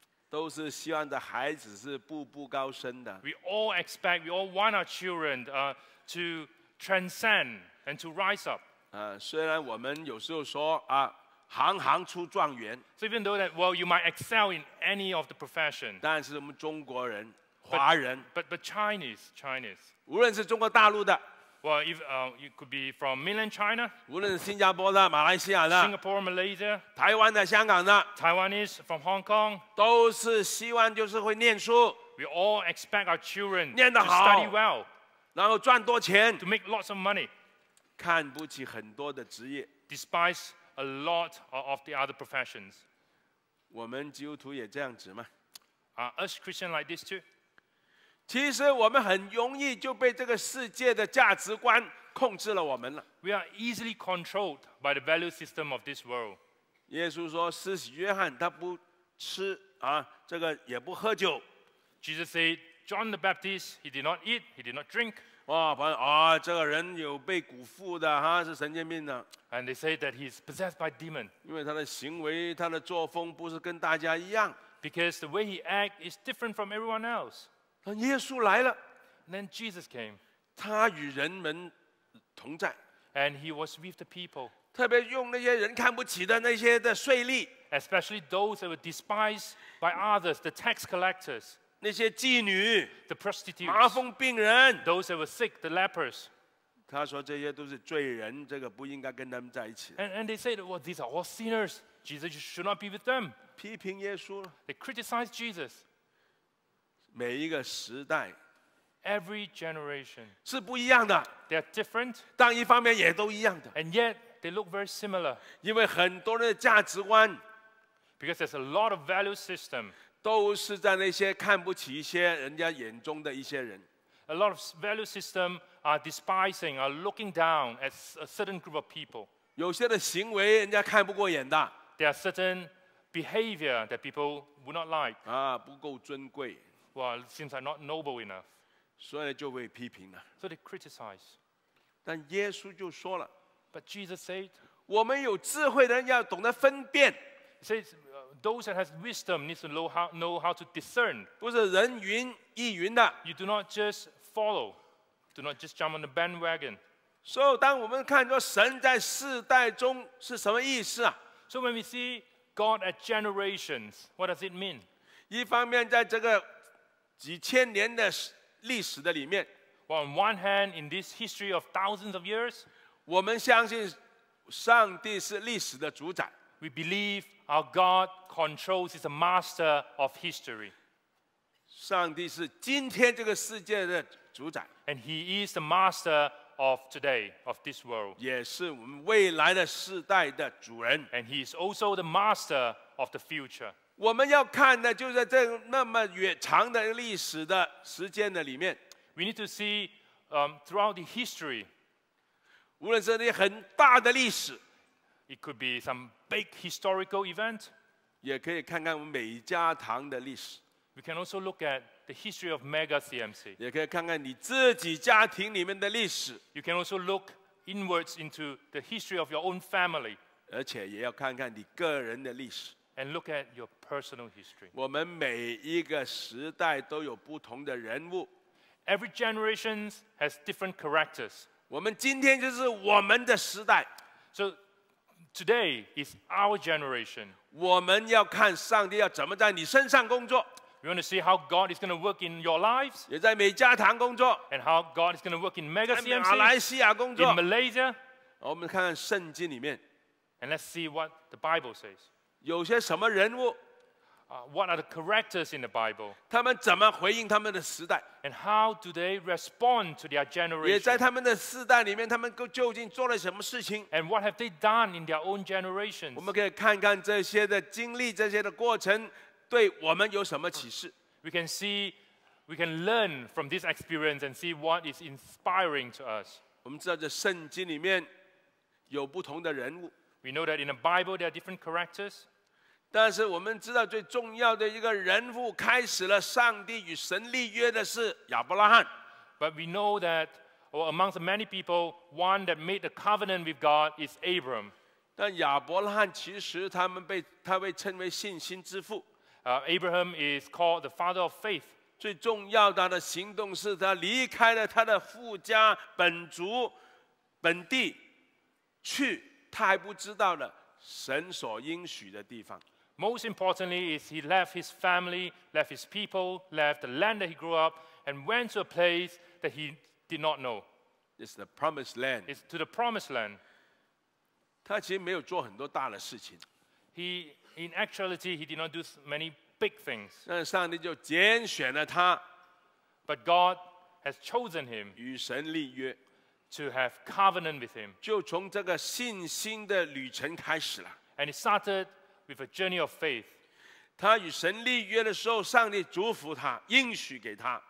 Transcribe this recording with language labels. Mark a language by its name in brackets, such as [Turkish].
[Chinese] 都是希望的孩子是步步高升的。 [English] We all expect, we all want our children to transcend and to rise up. [Chinese] 虽然我们有时候说啊，行行出状元。 [English] So even though that, well, you might excel in any of the profession. [Chinese] 但是我们中国人，华人。 [English] But Chinese. [Chinese] 无论是中国大陆的。 [English] Well, if it could be from mainland China, [Chinese] 无论是新加坡的、马来西亚的、 [English] Singapore、Malaysia、 [Chinese] 台湾的、香港的、 [English] Taiwanese from Hong Kong, [Chinese] 都是希望就是会念书。 [English] We all expect our children [Chinese] 念得好 [English] to study well, [Chinese] 然后赚多钱 [English] to make lots of money, [Chinese] 看不起很多的职业 [English] despise a lot of the other professions. [Chinese] 我们基督徒也这样子吗？ [English] Are us Christian like this too? [Chinese] 其实我们很容易就被这个世界的价值观控制了我们了。 [English] We are easily controlled by the value system of this world. [Chinese] 耶稣说，施洗约翰他不吃啊，这个也不喝酒。 [English] Jesus said, John the Baptist, he did not eat, he did not drink. [Chinese] 这个人有被蛊附的哈，是神经病的。 [English] And they say that he's possessed by demon. [Chinese] 因为他的行为，他的作风不是跟大家一样。 [English] Because the way he act is different from everyone else. [Chinese] 那耶稣来了。 [English] And then Jesus came. [Chinese] 他与人们同在。 [English] And he was with the people. [Chinese] 特别用那些人看不起的那些的税吏。 [English] Especially those that were despised by others, the tax collectors. [Chinese] 那些妓女 [English] the prostitutes, [Chinese] 麻风病人 [English] those that were sick, the lepers. [Chinese] 他说这些都是罪人这个不应该跟他们在一起 [English] and they said, well, these are all sinners. Jesus should not be with them. [Chinese] 批评耶稣 [English] They criticized Jesus. [Chinese] 每一个时代 [English] Every generation [Chinese] 是不一样的 [English] They are different. [Chinese] 但一方面也都一样的 [English] And yet, they look very similar. [Chinese] 因为很多人的价值观 [English] Because there's a lot of value system. [Chinese] 都是在那些看不起一些人家眼中的一些人。 [English] A lot of value system are despising, are looking down at a certain group of people. [Chinese] 有些的行为人家看不过眼的。 [English] There are certain behavior that people would not like. [Chinese] 啊，不够尊贵。 [English] Well, it seems like not noble enough. [Chinese] 所以就被批评了。 [English] So they criticize. [Chinese] 但耶稣就说了。 [English] But Jesus said, [Chinese] 我们有智慧的人要懂得分辨。 [English] He says,Those that have wisdom need to know how to discern. [Chinese] 不是人云亦云的。 [English] You do not just follow. Do not just jump on the bandwagon. [Chinese] So, 当我们看说神在世代中是什么意思啊? [English] So when we see God at generations, what does it mean? [Chinese] 一方面在这个几千年的历史的里面。 [English] Well, on one hand, in this history of thousands of years, [Chinese] 我们相信上帝是历史的主宰。 [English] We believe our God controls, is a master of history. [Chinese] 上帝是今天这个世界的主宰。 [English] And he is the master of today, of this world. [Chinese] 也是我们未来的世代的主人。 [English] And he is also the master of the future. [Chinese] 我们要看的就是在那么远长的历史的时间的里面。 [English] We need to see, throughout the history. [Chinese] 无论是那些很大的历史。 [English] It could be some big historical event. [Chinese] 也可以看看美加堂的历史。 [English] We can also look at the history of MegaCMC. [Chinese] 也可以看看你自己家庭里面的历史。 [English] You can also look inwards into the history of your own family. [Chinese] 而且也要看看你个人的历史。 [English] And look at your personal history. [Chinese] 我们每一个时代都有不同的人物。 [English] Every generation has different characters. [Chinese] 我们今天就是我们的时代。 [English] So,Today is our generation. [Chinese] 我们要看上帝要怎么在你身上工作。 [English] We want to see how God is going to work in your lives. [Chinese] 也在美加堂工作。 [English] And how God is going to work in Mega CMC. [Chinese] 在马来西亚工作。 [English] In Malaysia. [Chinese] 我们看看圣经里面。 [English] And let's see what the Bible says. [Chinese] 有些什么人物。 [English] What are the characters in the Bible? [Chinese] 他们怎么回应他们的时代。 [English] And how do they respond to their generation? [Chinese] 也在他们的世代里面他们究竟做了什么事情。 [English] And what have they done in their own generations? [Chinese] 我们可以看看这些的经历这些的过程对我们有什么启示。 [English] We can see, we can learn from this experience and see what is inspiring to us. [Chinese] 我们知道这圣经里面有不同的人物。 [English] We know that in the Bible there are different characters. [Chinese] 但是我们知道最重要的一个人物开始了上帝与神立约的是亚伯拉罕。 [English] But we know that, or amongst the many people, one that made the covenant with God is Abram. [Chinese] 但亚伯拉罕其实他被称为信心之父。 [English] Abraham is called the father of faith. [Chinese] 最重要的行动是他离开了他的父家本族本地，去他还不知道的。神所应许的地方。 [English] Most importantly is he left his family, left his people, left the land that he grew up, and went to a place that he did not know. It's the promised land. It's to the promised land. [Chinese] 他其实没有做很多大的事情。 [English] In actuality, he did not do many big things. [Chinese] 但上帝就拣选了他。 [English] But God has chosen him. [Chinese] 与神立约。 [English] To have covenant with him. [Chinese] 就从这个信心的旅程开始了。 [English] And it started with a journey of faith. [Chinese] 他与神立约的时候，上帝祝福他，应许给他。